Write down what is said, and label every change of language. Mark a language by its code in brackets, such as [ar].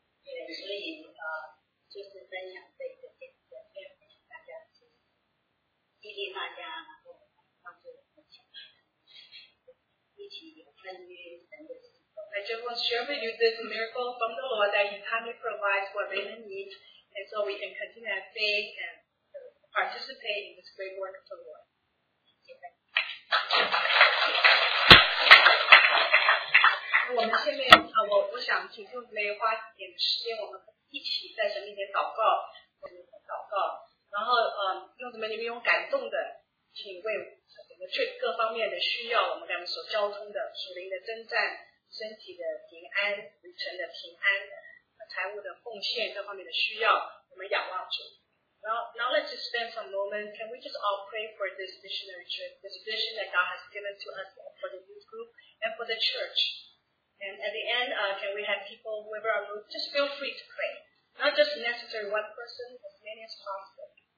[en] I just want to share with you this miracle from the Lord that He kindly provides what Raymond needs, and so we can continue to have faith and participate in this great work of the Lord. [zh] 我们下面我想请就梅花点时间，我们一起在神面前祷告，祷告，然后用什么你们用感动的，请为整个去各方面的需要，我们两个所交通的属灵的征战，身体的平安，旅程的平安，财务的奉献各方面的需要，我们仰望主。 [en] Now let's just spend some moment. Can we just all pray for this missionary trip, this vision that God has given to us for the youth group and for the church? And at the end, can we have people, whoever are moved, just feel free to pray. Not just necessary one person, as many as possible.